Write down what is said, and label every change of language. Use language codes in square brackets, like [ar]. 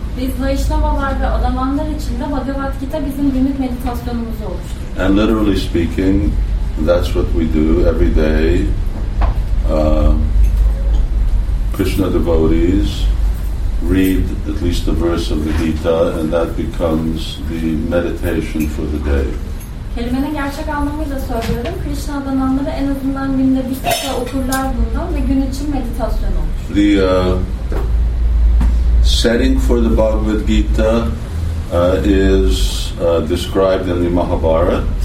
[tr] Biz Vaishnavalar ve adamanlar için de Bhagavad Gita bizim günlük meditasyonumuz olmuştur. [en] And literally speaking, that's what we do every day. Krishna devotees read at least a verse of the Gita, and that becomes the meditation for the day. [tr] Kelimenin gerçek anlamıyla söylüyorum. Krishna adananları en azından günde bir kısa okurlar bundan ve gün için meditasyon olur. [en] The setting for the Bhagavad Gita is described in the Mahabharata.